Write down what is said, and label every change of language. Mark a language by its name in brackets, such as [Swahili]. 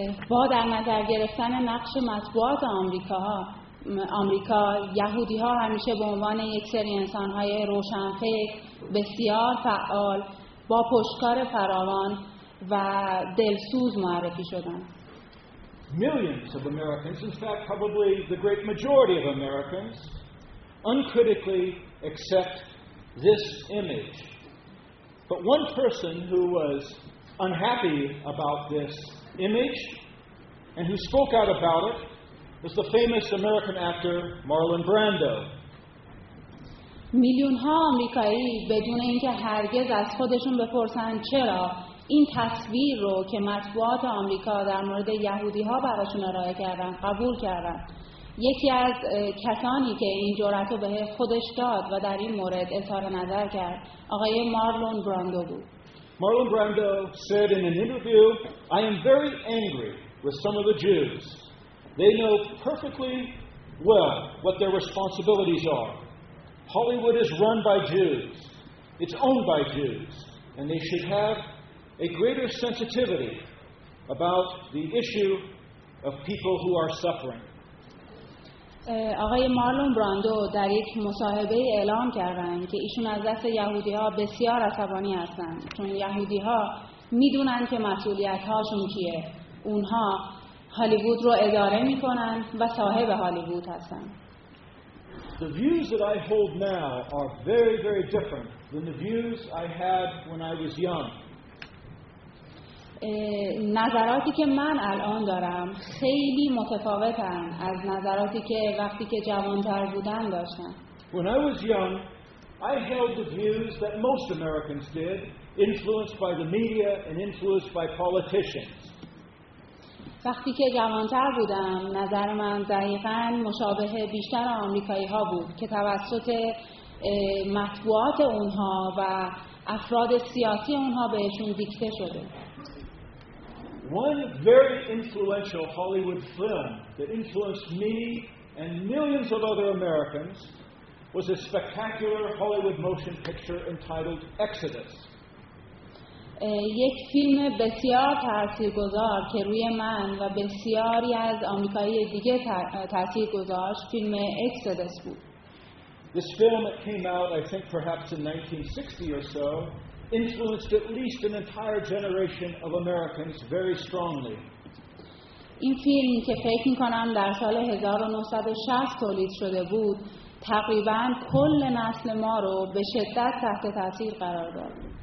[Persian] با در نظر گرفتن نقش مطبوعات آمریکا، یهودی‌ها همیشه به عنوان یک سری انسان‌های روشنفکر، بسیار فعال، با پشتکار فراوان و دلسوز معرفی شدند. [English] Millions of Americans, in fact probably the great majority of Americans, uncritically accept this image. But one person who was unhappy about this image and who spoke out about it was the famous American actor Marlon Brando. [Persian] میلیون ها آمریکایی بدون اینکه هرگز از خودشون بپرسن چرا، این تصویر رو که مطبوعات آمریکا در مورد یهودی ها براشون ارائه کردن قبول کردن. یکی از کسانی که این جرأت رو به خودش داد و در این مورد اظهار نظر کرد آقای مارلون براندو بود. [English] Marlon Brando said in an interview, "I am very angry with some of the Jews. They know perfectly well what their responsibilities are. Hollywood is run by Jews. It's owned by Jews, and they should have a greater sensitivity about the issue of people who are suffering." [Persian] آقای مارلون براندو در یک مصاحبه اعلام کردند که ایشون از دست یهودی‌ها بسیار عصبانی هستند، چون یهودی‌ها می‌دونن که مسئولیت‌هاشون چیه. اونها هالیوود رو اداره می‌کنن و صاحب هالیوود هستن. [English] The views that I hold now are very very different than the views I had when I was young. [Persian] نظراتی که من الان دارم خیلی متفاوتن از نظراتی که وقتی که جوان‌تر بودم داشتم. [English] When I was young, I held the views that most Americans did, influenced by the media and influenced by politicians. [Persian] وقتی که جوان‌تر بودم نظر من دقیقاً مشابه بیشتر آمریکایی‌ها بود که توسط مطبوعات اونها و افراد سیاسی اونها بهشون دیکته شده. [English] One very influential Hollywood film that influenced me and millions of other Americans was a spectacular Hollywood motion picture entitled Exodus. [Persian] یک فیلم بسیار تاثیرگذار که روی من و بسیاری از آمریکایی دیگه تاثیر گذاشت فیلم Exodus بود. [English] This film that came out, I think perhaps in 1960 or so, influenced at least an entire generation of Americans very strongly. [Persian] این فیلم که فکر می‌کنم در سال 1960 تولید شده بود، تقریباً کل نسل ما رو به شدت تحت تاثیر قرار داد.